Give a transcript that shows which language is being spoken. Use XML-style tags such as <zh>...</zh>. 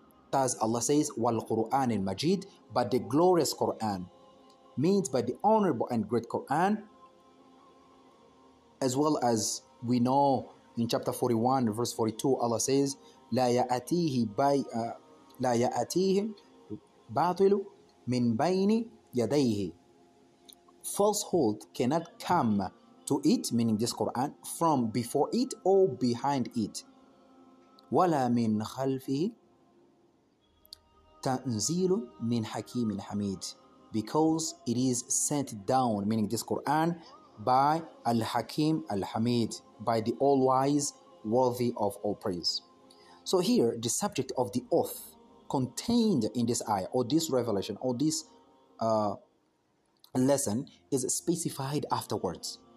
<en>Thus Allah says,</en> <ar>Wal Quran in Majid,</ar> <en>by the glorious Quran, means by the honorable and great Quran, as well as we know in chapter 41, verse 42, Allah says,</en> <ar>La ya'atihi</ar> <en>by</en> <ar>لا يأتيه باطل من بين يديه.</ar> <en>Falsehood cannot come to it, meaning this Quran, from before it or behind it.</en> <ar>ولا من خلفه تنزيل من حكيم حميد.</ar> <en>Because it is sent down, meaning this Quran, by Al-Hakim Al-Hamid, by the All-Wise, worthy of all praise. So here, the subject of the oath contained in this ayah or this revelation or this lesson is specified afterwards.</en>